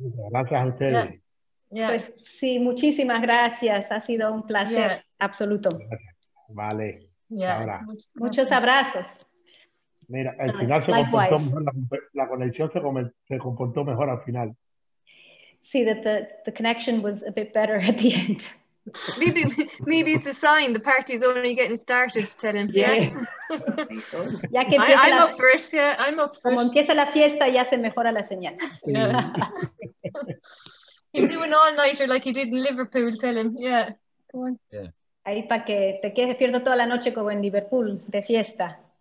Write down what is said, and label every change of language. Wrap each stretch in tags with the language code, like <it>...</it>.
<es>Gracias a ustedes.</es> <en>Yeah. Yeah.</en> <es>Pues sí, muchísimas gracias. Ha sido un placer absoluto. Vale. Yeah. Ahora. Muchos abrazos. Mira, al final se comportó mejor, la conexión se comportó mejor al final.</es> <en>Sí, that the connection was a bit better at the end. Maybe it's a sign the party's only getting started, tell him. Yeah.</en> <es>Ya que</es> <en>I'm up first.</en> <es>Como empieza la fiesta, ya se mejora la señal.</es> <en>He's doing all-nighter like he did in Liverpool, tell him. Yeah.</en> <es>Ahí para que te quedes despierto toda la noche como en Liverpool, de fiesta.</es>